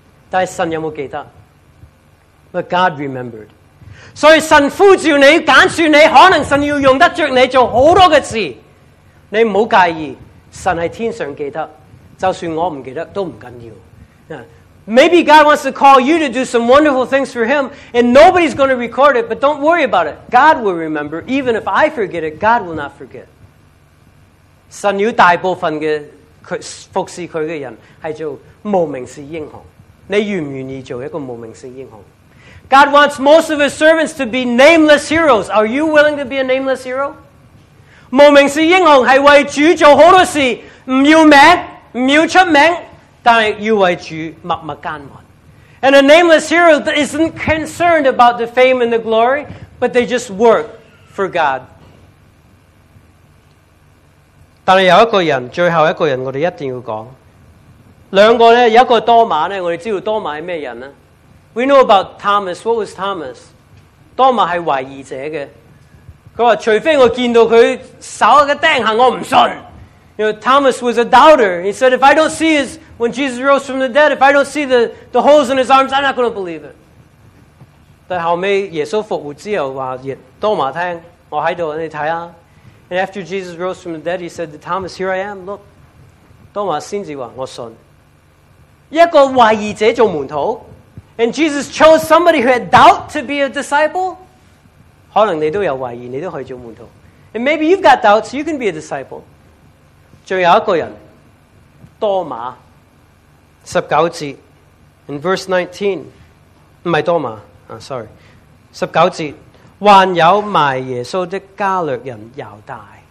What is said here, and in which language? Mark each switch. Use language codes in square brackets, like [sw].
[zh] 但是神有没有记得？ [en] But God remembered. [zh] 所以神呼召你，拣选你，可能神要用得着你做好多的事。你不要介意，神是天上记得，就算我不记得都不紧要。 [en] Maybe God wants to call you to do some wonderful things for him, and nobody's going to record it, but don't worry about it. God will remember. Even if I forget it, God will not forget. [zh] 神要大部分的服侍他的人是做无名氏英雄。你愿不愿意做一个无名氏英雄？ [en] God wants most of his servants to be nameless heroes. Are you willing to be a nameless hero? [zh] 无名氏英雄是为主做好多事，不要名，不要出名，但是要为主默默耕耘。 [en] And a nameless hero isn't concerned about the fame and the glory, but they just work for God. [zh] 但是有一个人，最后一个人我们一定要讲。两个呢，有一个多马呢，我们知道多马是什么人呢？ [en] We know about Thomas. What was Thomas? [zh] 多马是怀疑者的。他说除非我见到他手的钉痕，我不信。 [en] You know, Thomas was a doubter. He said, if I don't see his, when Jesus rose from the dead, if I don't see the holes in his arms, I'm not going to believe it. [zh] 但后来耶稣复活之后说，多马听，我在这里，你看啊。 [en] And after Jesus rose from the dead, he said, Thomas, here I am, look. [zh] 多马先至说，我信。一个怀疑者做门徒， [en] and Jesus chose somebody who had doubt to be a disciple. [zh] 可能你都有怀疑，你都可以做门徒。 [en] And maybe you've got doubts, you can be a disciple. [zh] 最有一个人，多马，十九节 ， [en] in verse 19， [zh] 唔系多马啊 ，sorry， 十九节，还有卖耶稣的加略人犹大